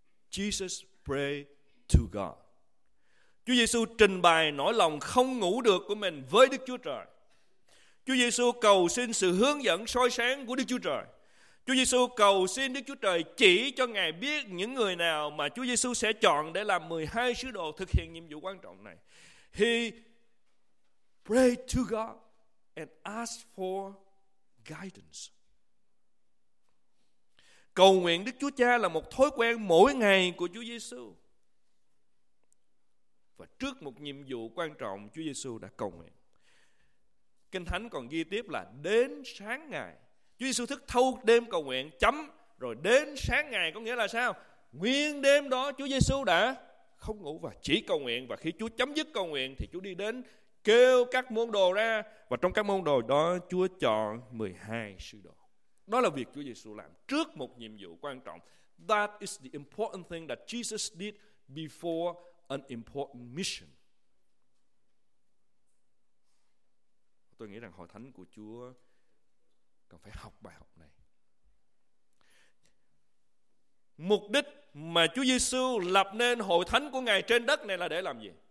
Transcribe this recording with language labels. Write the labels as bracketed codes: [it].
[en] Jesus pray to God. [vi] Chúa Giêsu trình bày nỗi lòng không ngủ được của mình với Đức Chúa Trời. Chúa Giêsu cầu xin sự hướng dẫn soi sáng của Đức Chúa Trời. Chúa Giêsu cầu xin Đức Chúa Trời chỉ cho Ngài biết những người nào mà Chúa Giêsu sẽ chọn để làm 12 sứ đồ thực hiện nhiệm vụ quan trọng này. [en] He prayed to God and asked for guidance. [vi] Cầu nguyện Đức Chúa Cha là một thói quen mỗi ngày của Chúa Giêsu. Và trước một nhiệm vụ quan trọng, Chúa Giêsu đã cầu nguyện. Kinh Thánh còn ghi tiếp là đến sáng ngày. Chúa Giêsu thức thâu đêm cầu nguyện chấm, rồi đến sáng ngày có nghĩa là sao? Nguyên đêm đó Chúa Giêsu đã không ngủ và chỉ cầu nguyện. Và khi Chúa chấm dứt cầu nguyện thì Chúa đi đến kêu các môn đồ ra. Và trong các môn đồ đó Chúa chọn 12 sứ đồ. Đó là việc Chúa Giêsu làm trước một nhiệm vụ quan trọng. [en] That is the important thing that Jesus did before an important mission. [vi] Tôi nghĩ rằng hội thánh của Chúa cần phải học bài học này. Mục đích mà Chúa Giêsu lập nên hội thánh của Ngài trên đất này là để làm gì?